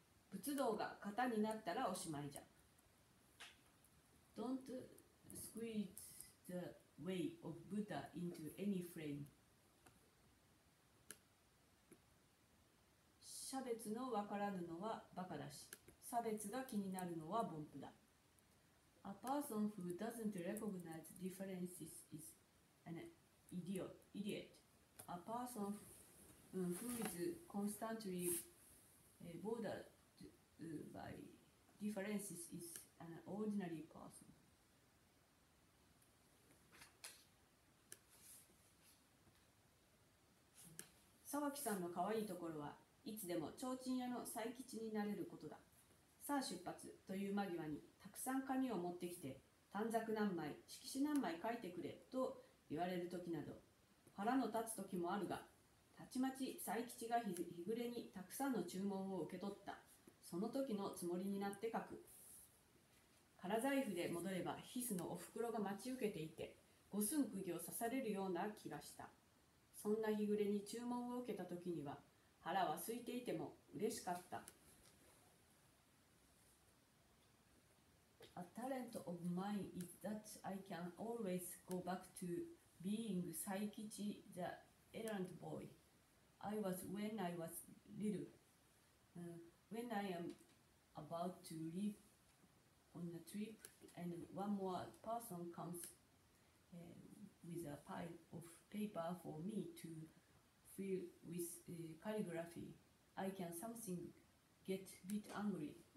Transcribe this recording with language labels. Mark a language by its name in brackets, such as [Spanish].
[Japanese] 仏道が型になったらおしまいじゃ。 [English] Don't squeeze the way of Buddha into any frame. [Japanese] 差別のわからぬのはバカだし、差別が気になるのは凡夫だ。 [English] A person who doesn't recognize differences is anIdiot. A person who is constantly bothered by differences is an ordinary person. [Japanese] 沢木さんのかわいいところはいつでも提灯屋の佐伯になれることだ。さあ出発という間際にたくさん紙を持ってきて短冊何枚、色紙何枚書いてくれと言われるときなど腹の立つ時もあるが、たちまち佐伯が日暮れにたくさんの注文を受け取った。その時のつもりになって書く。空財布で戻れば、ヒスのお袋が待ち受けていて、五寸釘を刺されるような気がした。そんな日暮れに注文を受けた時には、腹は空いていても嬉しかった。 [English] A talent of mine is that I can always go back toBeing Saikichi the errand boy, I was when I was little. When I am about to leave on a trip and one more person comes with a pile of paper for me to fill with calligraphy, I can something get a bit angry.